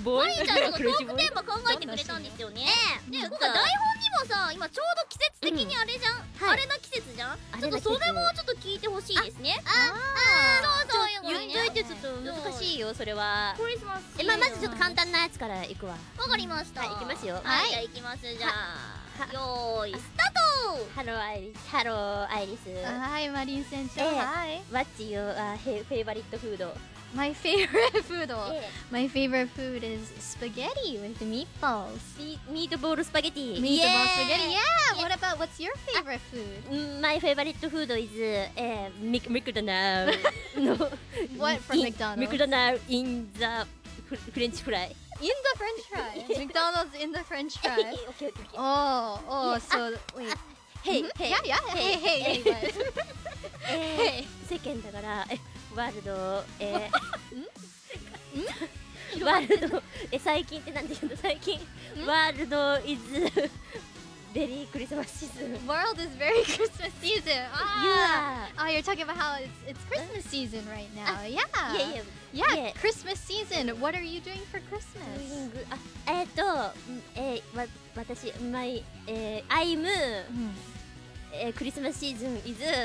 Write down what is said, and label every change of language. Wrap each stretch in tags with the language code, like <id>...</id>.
<ja>とマリンちゃんのトークテーマ考えてくれたんですよね。で、今回台本にもさ、今ちょうど季節的にあれじゃん、うん、あれな季節じゃん、ちょっとそれもちょっと聞いてほしいですね。あ、そうそう、ね、言っといてちょっと難しいよ、それは。クリスマス、え、まあ、まずちょっと簡単なやつからいくわ。わかりました。はい、行きますよ。はい、じゃあ行きます、じゃあ。よーい、スタート。</ja> <en>ハローアイリス、ハローアイリス。</en> <ja>はい、マリン船長、はい。</ja> <en>What's your favorite food? My favorite food? My favorite food is spaghetti with meatballs. Meatball spaghetti. Meatball spaghetti. Yeah, what about, what's your favorite food? My favorite food is McDonald's. What from McDonald's? McDonald's in the French fry. In the French fry. McDonald's in the French fry. okay. Oh, so wait. Hey. Yeah, yeah. Hey. Hey.</en> <ja>世間だから、ワールド、ワールド、最近って何て言うの、最近、ワールド</ja> <en>is very Christmas season. World is very Christmas season. Ah. Yeah. Oh, you're talking about how it's Christmas season right now. Yeah. Yeah, yeah. Yeah, yeah, Christmas season. What are you doing for Christmas? Doing, I'm Christmas season is.</en>